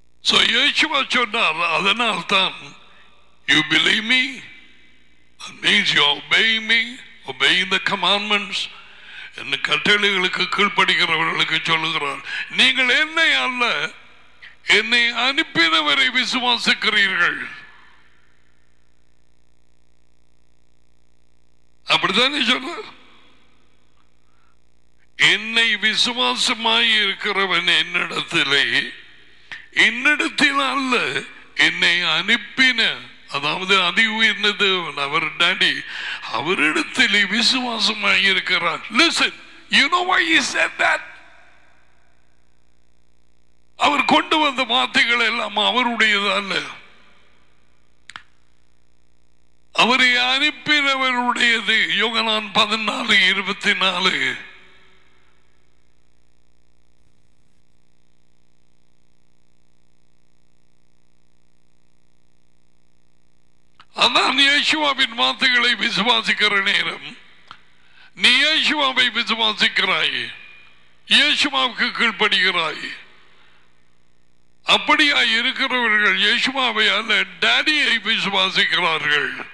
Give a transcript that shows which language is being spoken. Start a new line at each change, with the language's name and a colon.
Tamil: So Yeshua சொன்னார், அதனால்தான்
English: You believe me, that means you obey me, obeying the commandments.
Tamil: என்ன கட்டளைகளுக்கு கீழ்ப்படுகிறவர்களுக்கு சொல்லுகிறார், நீங்கள் என்னை அல்ல என்னை அனுப்பினவரை விசுவாசிக்கிறீர்கள். அப்படித்தானே சொல்ற, என்னை விசுவாசமாய் இருக்கிறவன் என்னிடத்திலே என்னிடத்தில் அல்ல என்னை அனுப்பின, அதாவது அதி உயர்ந்த தேவன் அவர் டாடி அவரிடத்தில் விசுவாசமாக இருக்கிறார்.
English: Listen, you know why he said that?
Tamil: அவர் கொண்டு வந்த வார்த்தைகள் எல்லாம் அவருடையதல்ல, அவரை அனுப்பினவருடையது. யோகனான் 14:24 யேசுவாவின் வார்த்தைகளை விசுவாசிக்கிற நேரம், நீ யேசுவாவை விசுவாசிக்கிறாய், யேசுவாவுக்கு கீழ்ப்படுகிறாய், அப்படியா இருக்கிறவர்கள் யேசுவாவை அல்ல டாடியை விசுவாசிக்கிறார்கள்.